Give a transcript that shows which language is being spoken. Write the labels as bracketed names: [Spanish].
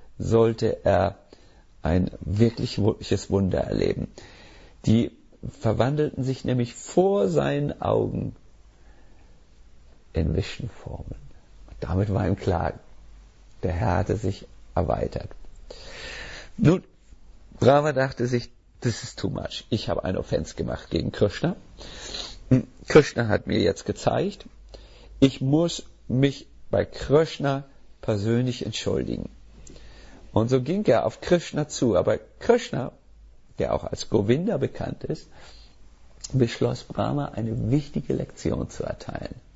[German] sollte er ein wirkliches Wunder erleben. Die verwandelten sich nämlich vor seinen Augen in Vishnu-Formen. Damit war ihm klar, der Herr hatte sich erweitert. Nun, Brahma dachte sich, [English] this is too much. [German] Ich habe eine Offense gemacht gegen Krishna. Krishna hat mir jetzt gezeigt, ich muss mich bei Krishna persönlich entschuldigen. Und so ging er auf Krishna zu. Aber Krishna, der auch als Govinda bekannt ist, beschloss Brahma eine wichtige Lektion zu erteilen.